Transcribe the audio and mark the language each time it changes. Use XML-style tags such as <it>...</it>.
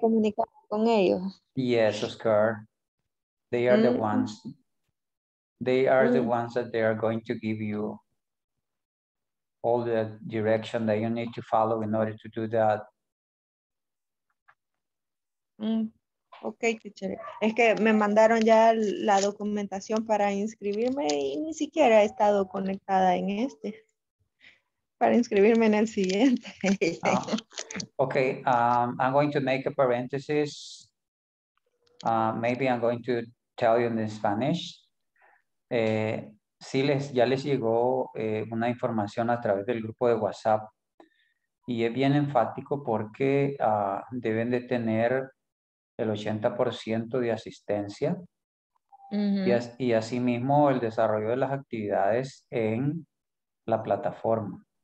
<es>Comunicar con ellos.</es> <en>Yes, Oscar. They are the ones. They are the ones that they are going to give you all the direction that you need to follow in order to do that. Okay, teacher.</en> <es>Es que me mandaron ya la documentación para inscribirme y ni siquiera he estado conectada en este. Para inscribirme en el siguiente.</es> <en>Okay, I'm going to make a parenthesis. Maybe I'm going to tell you in Spanish.</en> <es>Sí, ya les llegó una información a través del grupo de WhatsApp y es bien enfático porque deben de tener el 80% de asistencia y asimismo el desarrollo de las actividades en la plataforma.</es>